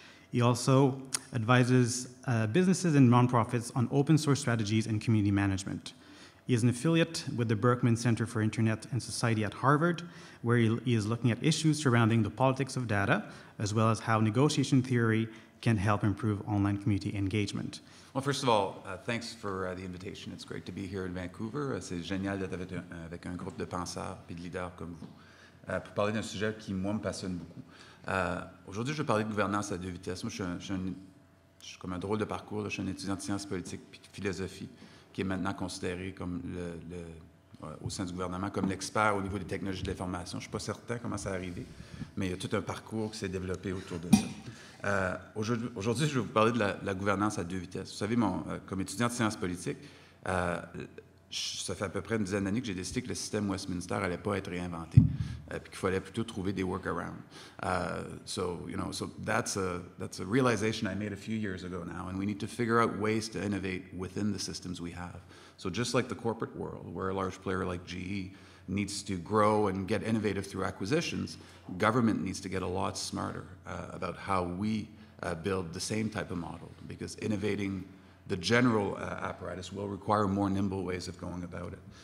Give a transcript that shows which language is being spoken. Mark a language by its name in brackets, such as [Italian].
[English] He also advises businesses and nonprofits on open source strategies and community management. He is an affiliate with the Berkman Center for Internet and Society at Harvard, where he is looking at issues surrounding the politics of data, as well as how negotiation theory can help improve online community engagement. Well, first of all, thanks for the invitation. It's great to be here in Vancouver. [French] C'est génial d'être avec un groupe de penseurs et de leaders comme vous pour parler d'un sujet qui, moi, me passionne beaucoup. Aujourd'hui, je vais parler de gouvernance à deux vitesses. Moi, je suis comme un drôle de parcours. Je suis un étudiant de sciences politiques et de philosophie qui est maintenant considéré comme au sein du gouvernement comme l'expert au niveau des technologies de l'information. Je ne suis pas certain comment ça a arrivé, mais il y a tout un parcours qui s'est développé autour de ça. Aujourd'hui, je vais vous parler de la gouvernance à deux vitesses. Vous savez, comme étudiant de sciences politiques, ça fait à peu près une dizaine d'années que j'ai décidé que le système Westminster n'allait pas être réinventé, puis qu'il fallait plutôt trouver des workarounds. [English] So that's a realization I made a few years ago now, and we need to figure out ways to innovate within the systems we have. So just like the corporate world, where a large player like GE needs to grow and get innovative through acquisitions, government needs to get a lot smarter about how we build the same type of model, because innovating the general apparatus will require more nimble ways of going about it.